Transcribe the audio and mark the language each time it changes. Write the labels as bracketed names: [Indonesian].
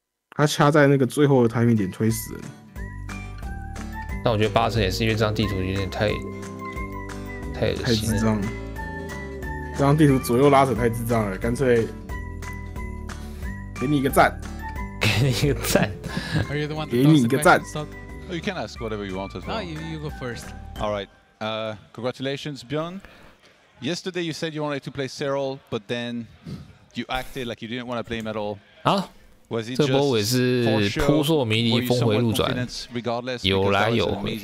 [Chinese] 他掐在那个最后的 timing 点推死了。但我觉得八成也是因为这张地图有点太。太智障了，这张地图左右拉扯太智障了，干脆给你一个赞，给你一个赞，给你一个赞。 [English] Oh, you can ask whatever you want as well. No, you go first. All right. Congratulations, Bjorn. Yesterday you said you wanted to play Cyril, but then you acted like you didn't want to play him at all. 啊？ [Chinese] 这波我也是扑朔迷离、峰回路转，有来有回。